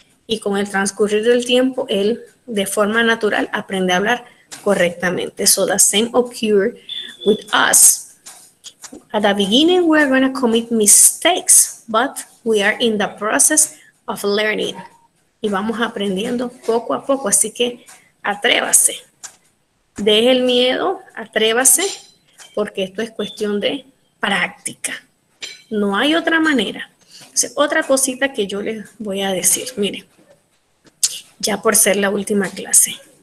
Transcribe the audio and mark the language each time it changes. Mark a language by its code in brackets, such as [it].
[es] Y con el transcurrir del tiempo, él de forma natural aprende a hablar correctamente. [en] So the same occurs with us. At the beginning, we are going to commit mistakes, but we are in the process of learning. [es] Y vamos aprendiendo poco a poco, así que atrévase. Deje el miedo, atrévase, porque esto es cuestión de práctica. No hay otra manera. Entonces, otra cosita que yo les voy a decir, miren, ya por ser la última clase.